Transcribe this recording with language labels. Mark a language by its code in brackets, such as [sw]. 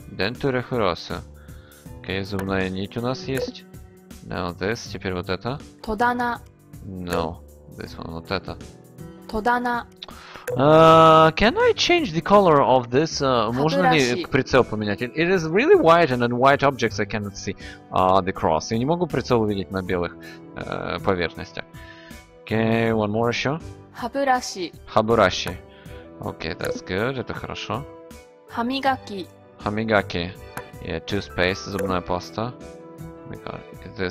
[en] Dental floss. [ru] Okay, зубная нить у нас есть. [en] Now this, [ru] теперь вот это. [ja] Todana. [en] No. This one, [ru] вот это. [ja] Todana. [en] Can I change the color of this? [ru] Можно ли прицел поменять? [en] It is really white, and in white objects I cannot see the cross. [ru] Я не могу прицел увидеть на белых поверхностях. [en] Okay, one more еще. [ja] Хабураши. [en] Хабураши. Okay, that's good. [ru] Это хорошо. [ja] Хамигаки. [en] Хамигаки. Yeah, toothpaste, [ru] зубная паста. [en] This.